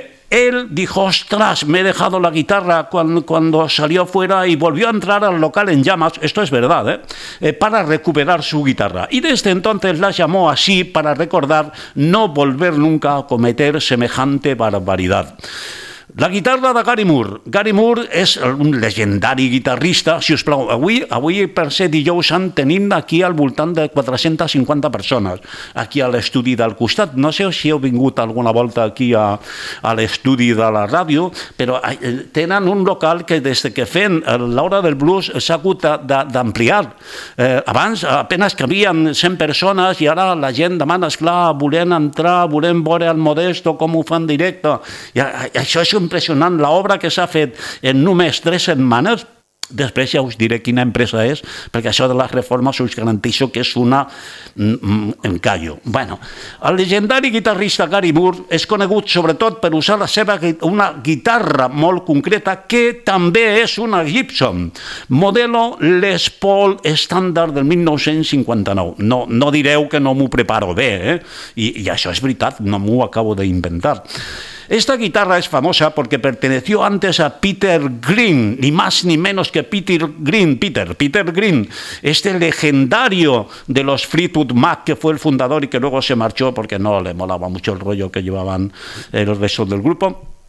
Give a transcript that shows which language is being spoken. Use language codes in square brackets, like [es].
[es] Él dijo, ostras, me he dejado la guitarra cuando salió fuera y volvió a entrar al local en llamas, esto es verdad, para recuperar su guitarra. Y desde entonces la llamó así para recordar no volver nunca a cometer semejante barbaridad. [ca] La guitarra de Gary Moore. Gary Moore és un legendari guitarrista. Si us plau, avui per ser dijous han tenint aquí al voltant de 450 persones aquí a l'estudi del costat. No sé si heu vingut alguna volta aquí a l'estudi de la ràdio, però tenen un local que des que fent l'hora del blues s'ha hagut d'ampliar. Abans apenas cabien 100 persones i ara la gent demana, esclar, volem entrar, volem veure el Modesto, com ho fan directe. I això és impressionant la obra que s'ha fet en només 3 setmanes. Després ja us diré quina empresa és, perquè això de les reformes us garanteixo que és una encallo. Bueno, el legendari guitarrista Gary Moore és conegut sobretot per usar la seva una guitarra molt concreta que també és una Gibson, modelo Les Paul Standard del 1959. No direu que no m'ho preparo bé, I això és veritat, no m'ho acabo d'inventar. [es] Esta guitarra es famosa porque perteneció antes a Peter Green, ni más ni menos que Peter Green, este legendario de los Fleetwood Mac, que fue el fundador y que luego se marchó porque no le molaba mucho el rollo que llevaban el resto del grupo.